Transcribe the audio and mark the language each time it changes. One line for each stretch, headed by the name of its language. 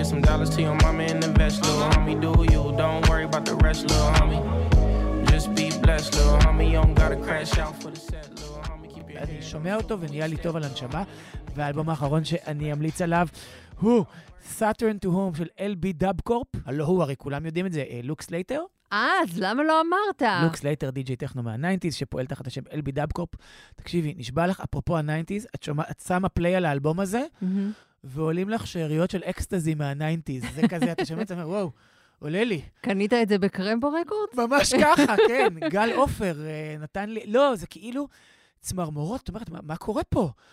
English: Get some dollars to your mama and invest, little homie. Do you, don't worry about the rest, little homie. Just be blessed, little homie. You don't gotta crash out for the set, little homie. Keep your head.
Hebrew: אני שומע אותו ונהיה לי טוב על הנשמה. והאלבום האחרון שאני אמליץ עליו הוא Saturn to Home של LB Dub Corp. הלא הוא, הרי כולם יודעים את זה, Luke Slater. אז למה לא אמרת? Luke Slater, DJ טכנו מה-90s, שפועל תחת השם LB Dub Corp. תקשיבי, נשבע לך, אפרופו ה-90s, את שומע, את שמה פליי על האלבום הזה, ועולים לך שעריות של אקסטזי מה-90s. זה כזה, אתה שומע, אתה אומר, וואו. עולה לי. קנית את זה בקרמבו רקורד? ממש ככה, כן. גל אופר נתן לי, לא, זה כאילו צמרמורות, זאת אומרת, מה קורה פה?